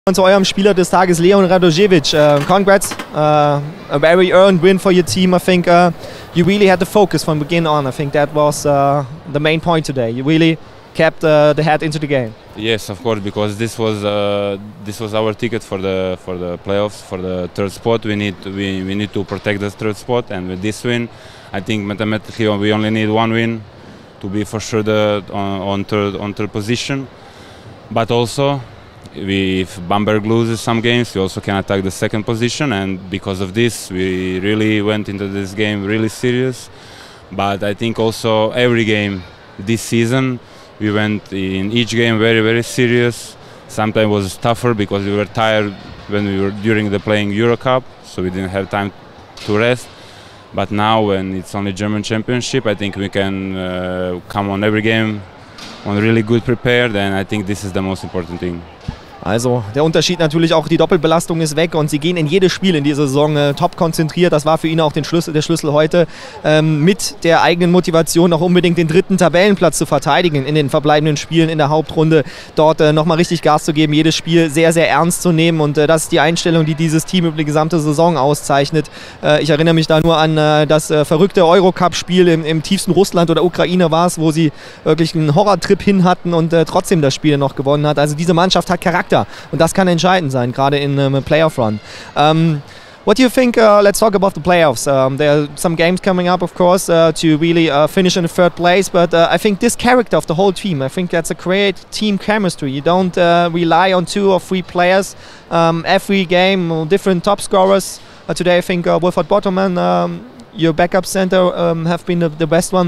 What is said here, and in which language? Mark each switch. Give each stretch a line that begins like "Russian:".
German: Und zu eurem Spieler des Tages, Leon Radojevic.
English: Congrats. A very earned win for your team. I think you really had the focus from begin on. I think that was the main point today. You really kept the head into the game. Yes, of course, because this was our ticket for the playoffs, for the third spot. We need to protect the third spot, and with this win, I think mathematically we only need one win to be for sure on third position. But also, if Bamberg loses some games, we also can attack the second position, and because of this, we really went into this game really serious. But I think also every game this season, we went in each game very, very serious. Sometimes it was tougher because we were tired when we were during the playing Eurocup, so we didn't have time to rest. But now, when it's only German Championship, I think we can come on every game on really good prepared, and I think this is the most important thing.
German: Also, der Unterschied natürlich auch, die Doppelbelastung ist weg und sie gehen in jedes Spiel in dieser Saison top konzentriert. Das war für ihn auch der Schlüssel heute, mit der eigenen Motivation noch unbedingt den dritten Tabellenplatz zu verteidigen in den verbleibenden Spielen in der Hauptrunde. Dort nochmal richtig Gas zu geben, jedes Spiel sehr, sehr ernst zu nehmen, und das ist die Einstellung, die dieses Team über die gesamte Saison auszeichnet. Ich erinnere mich da nur an das verrückte Eurocup-Spiel im tiefsten Russland oder Ukraine war es, wo sie wirklich einen Horrortrip hin hatten und trotzdem das Spiel noch gewonnen hat. Also diese Mannschaft hat Charakter. Und das kann entscheidend sein, gerade in
English: a playoff run. What do you think? Let's talk about the playoffs. There are some games coming up, of course, to really finish in the third place. But I think this character of the whole team, I think that's a great team chemistry. You don't rely on two or three players every game, different top scorers. Today, I think Wolfhard Bottomann, your backup center, have been the best one.